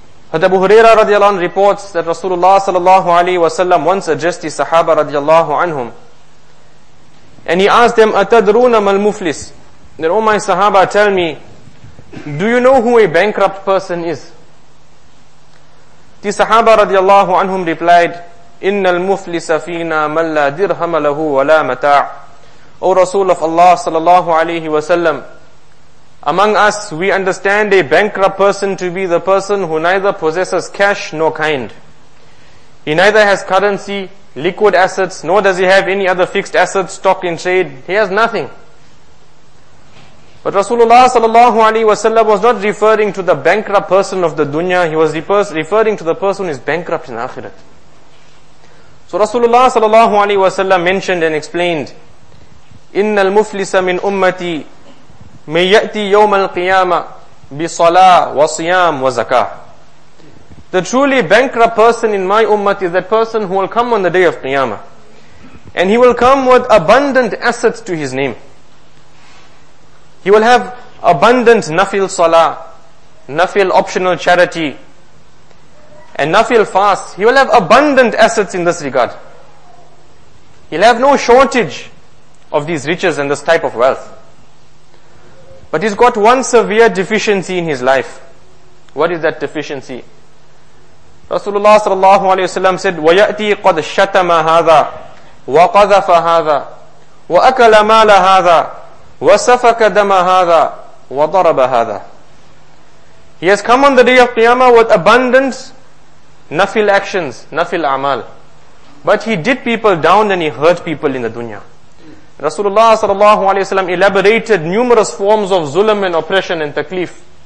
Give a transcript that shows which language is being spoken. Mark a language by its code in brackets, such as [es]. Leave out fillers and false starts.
[en] Hadith Abu Huraira radiallahu anhu reports that Rasulullah sallallahu alayhi wa sallam once addressed the Sahaba radiallahu anhum. And he asked them, [ar] Atadruna mal muflis? [en] Then, oh my Sahaba, tell me, do you know who a bankrupt person is? The Sahaba radiallahu anhum replied, [ar] إِنَّ الْمُفْلِسَ فِينَا مَنْ لَا دِرْهَمَ لَهُ وَلَا مَتَاعَ. [en] O Rasul of Allah sallallahu alayhi wa sallam, among us we understand a bankrupt person to be the person who neither possesses cash nor kind. He neither has currency, liquid assets, nor does he have any other fixed assets, stock in trade. He has nothing. But Rasulullah sallallahu alayhi wa sallam was not referring to the bankrupt person of the dunya. He was referring to the person who is bankrupt in akhirat. So Rasulullah sallallahu alayhi wa sallam mentioned and explained, [ar] إِنَّ الْمُفْلِسَ مِنْ أُمَّتِي مَنْ يَأْتِي يَوْمَ الْقِيَامَةِ بِصَلَاةِ وَصِيَامِ وَزَكَاةِ. [en] The truly bankrupt person in my ummah is that person who will come on the day of Qiyamah. And he will come with abundant assets to his name. He will have abundant nafil salah, nafil optional charity, and nafil fast. He will have abundant assets in this regard. He'll have no shortage of these riches and this type of wealth. But he's got one severe deficiency in his life. What is that deficiency? Rasulullah sallallahu alayhi wa sallam said, [ar] وَيَأْتِي قَدْ شَتَمَ هَذَا وَقَذَفَ هَذَا وَأَكَلَ مَالَ هَذَا وَسَفَكَ دَمَ هَذَا وَضَرَبَ هَذَا. [en] He has come on the day of Qiyamah with abundance nafil actions, nafil amal. But he did people down and he hurt people in the dunya. Rasulullah sallallahu alayhi wa sallam elaborated numerous forms of zulm and oppression and taklif.